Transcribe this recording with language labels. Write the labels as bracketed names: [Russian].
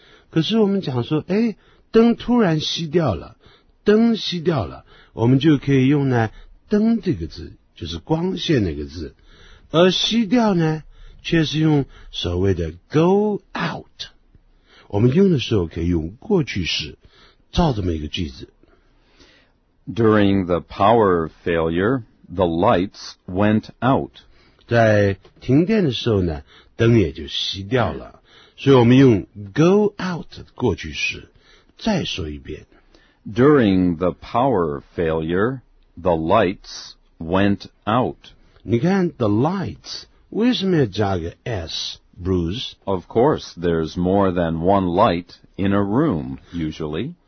[Chinese] 可是我们讲说，哎，灯突然熄掉了，灯熄掉了，我们就可以用呢灯这个字，就是光线那个字，而熄掉呢却是用所谓的 go out， 我们用的时候可以用过去式造这么一个句子。 [English] During the power failure, the lights went out. [Chinese] 在停电的时候呢，灯也就熄掉了，所以我们用 go out 过去式。再说一遍。 [English] During the power failure, the lights went out. [Chinese] 你看 the lights， 为什么要加个 s， Bruce？ [English] Of course, there's more than one light in a room, usually.